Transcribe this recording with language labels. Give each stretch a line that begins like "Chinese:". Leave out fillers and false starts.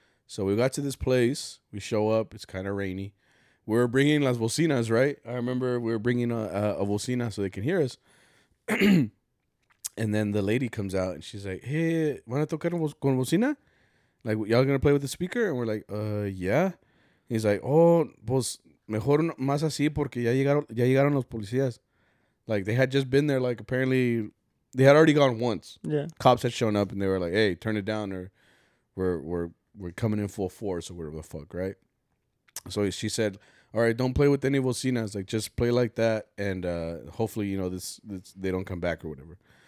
English: So we got to this place. We show up. It's kind of rainy. We're bringing las bocinas, right? I remember we were bringing a bocina so they can hear us. And then the lady comes out and she's like, hey,
Spanish: ¿van a tocar con bocina?
English: Like, y'all gonna play with the speaker? And we're like, yeah. And he's like, oh,
Spanish: pues mejor más así porque ya llegaron los policías.
English: Like, they had just been there, like, apparently they had already gone once. Yeah. Cops had shown up and they were like, hey, turn it down or we're coming in full force or whatever the fuck, right? So she said, all right, don't play with any bocinas. Like, just play like that and hopefully, you know, this they don't come back or whatever.